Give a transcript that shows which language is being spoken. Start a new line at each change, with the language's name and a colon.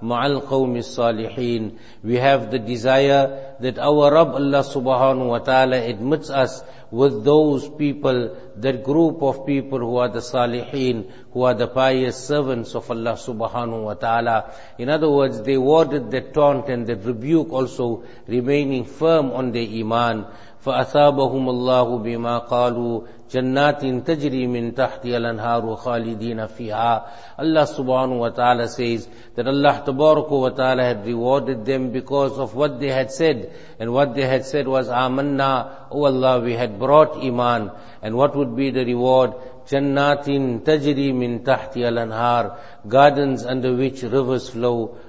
Arabic: ma'al qawmi salihin.
English: We have the desire that our Rabb Allah subhanahu wa ta'ala admits us with those people, that group of people who are the salihin, who are the pious servants of Allah subhanahu wa ta'ala. In other words, they warded the taunt and the rebuke also, remaining firm on their iman.
Arabic: فأثابهم الله بما قالوا جنات تجري من تحتها الأنهار خالدين فيها.
English: Allah subhanahu wa ta'ala says that Allah tabaraka wa ta'ala had rewarded them because of what they had said. And what they had said was, آمنا, O Allah, we had brought iman. And what would be the reward?
Arabic: جنات تجري من تحتها الأنهار,
English: gardens under which rivers flow.